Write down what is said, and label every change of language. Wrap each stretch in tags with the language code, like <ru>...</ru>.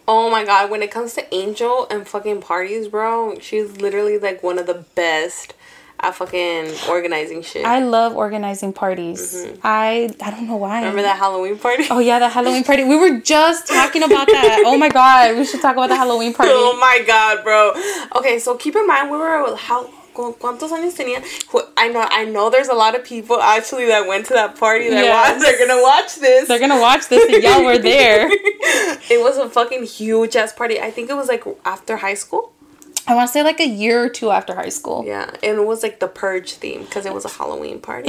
<en>Oh my God, when it comes to Angel and fucking parties, bro, she's literally like one of the best at fucking organizing shit. I love organizing parties. Mm-hmm. I don't know why. Remember that Halloween party? Oh yeah, the Halloween party. We were just talking about that. Oh my God, we should talk about the Halloween party. Oh my God, bro. Okay, so keep in mind,</en> <es>¿cuántos años tenía?</es> <en>I know there's a lot of people actually that went to that party that watched. They're gonna watch this. They're gonna watch this and y'all were there. It was a fucking huge ass party. I think it was like after high school. I want to say like a year or two after high school. Yeah, and it was like the Purge theme because it was a Halloween party.</en>